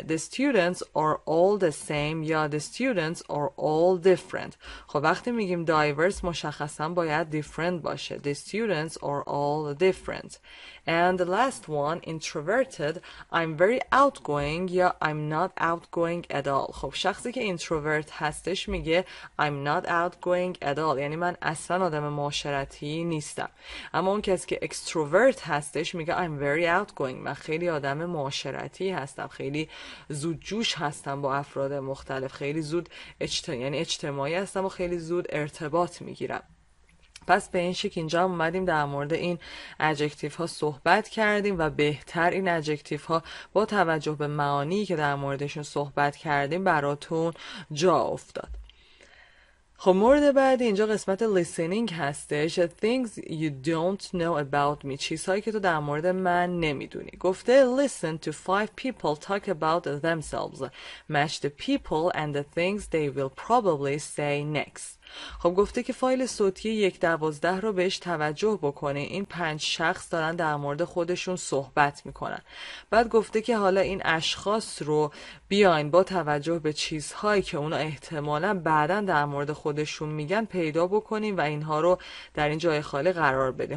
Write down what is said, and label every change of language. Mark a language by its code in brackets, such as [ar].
[en] The students are all the same [fa] یا [en] the students are all different. [fa] خب وقتی میگیم diverse مشخصا باید different باشه. [en] The students are all different. And the last one, introverted. I'm very outgoing [fa] یا [en] I'm not outgoing at all. [fa] خب شخصی که introvert هستش میگه [en] I'm not outgoing at all، [fa] یعنی من اصلا آدم معاشرتی نیستم. اما اون کسی که extrovert هستش میگه [en] I'm very outgoing، [fa] من خیلی آدم معاشرتی هستم، خیلی زود جوش هستم با افراد مختلف، خیلی زود یعنی اجتماعی هستم و خیلی زود ارتباط میگیرم. پس به این شکل اینجا هم اومدیم در مورد این ادجکتیو ها صحبت کردیم و بهتر این ادجکتیو ها با توجه به معانی که در موردشون صحبت کردیم براتون جا افتاد. خب مورد بعد اینجا قسمت listening هستش. [en] Things you don't know about me، [fa] چیزهایی که تو در مورد من نمیدونی. گفته [en] listen to five people talk about themselves. Match the people and the things they will probably say next. [fa] خب گفته که فایل صوتی 1-12 رو بهش توجه بکنه، این 5 شخص دارن در مورد خودشون صحبت میکنن. بعد گفته که حالا این اشخاص رو بیاین با توجه به چیزهایی که اونا احتمالا بعدن در مورد خودشون میگن پیدا بکنین و اینها رو در این جای خالی قرار بدین.